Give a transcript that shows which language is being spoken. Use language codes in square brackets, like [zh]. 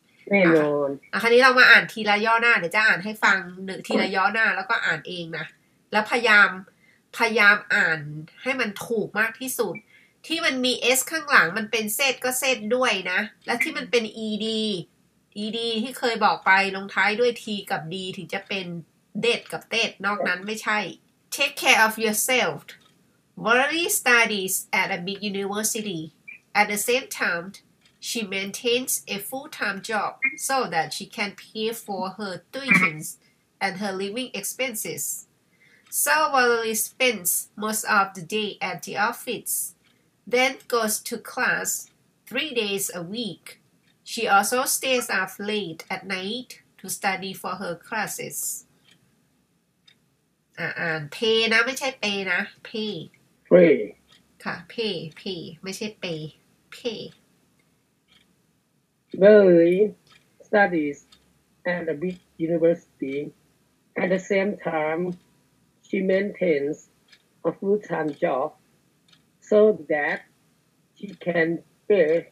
[th] แน่นอน คราวนี้เรามาอ่านทีละย่อหน้าเดี๋ยวจะอ่านให้ฟังหนึ่งทีละย่อหน้าแล้วก็อ่านเองนะแล้วพยายามอ่านให้มันถูกมากที่สุดที่มันมี S ข้างหลังมันเป็นเซตก็เซตด้วยนะและที่มันเป็น ED [en] ed [th] ที่เคยบอกไปลงท้ายด้วย t กับ d ถึงจะเป็น did กับ did นอกนั้นไม่ใช่ [en] take care of yourself Valerie studies at a big university at the same time she maintains a full-time job so that she can pay for her tuition and her living expenses so Valerie spends most of the day at the office then goes to class 3 days a weekShe also stays up late at night to study for her classes. [th] Pay นะไม่ใช่ pay นะ pay. [en] Pay. [th] ค่ะ pay pay ไม่ใช่ pay pay. [en] Valerie studies at a big university. At the same time, she maintains a full-time job so that she can pay.